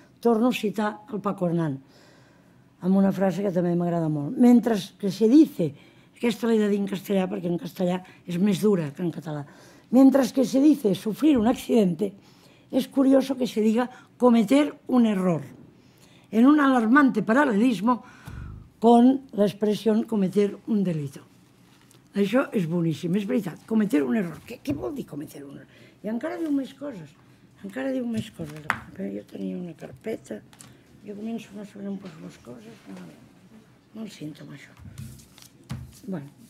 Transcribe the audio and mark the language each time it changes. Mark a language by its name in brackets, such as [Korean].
[Catalan] Torno a citar el Paco Hernán amb una frase que també m'agrada molt. Mentre que [Spanish] se dice, [Catalan] aquesta l'he de dir en castellà perquè en castellà és més dura que en català, mentre que [Spanish] se dice sufrir un accidente, [Catalan] és [Spanish] curioso que se diga cometer un error. En un alarmante paralelismo con la expresión cometer un delito. [Catalan] Això és boníssim, és veritat. [Spanish] Cometer un error. [Catalan] Què vol dir [Spanish] cometer un error? [Catalan] I encara diu més coses. Encara diu més coses. Jo tenia una carpeta. Jo començo a sobre un poc les coses. No el sento amb això. Bueno.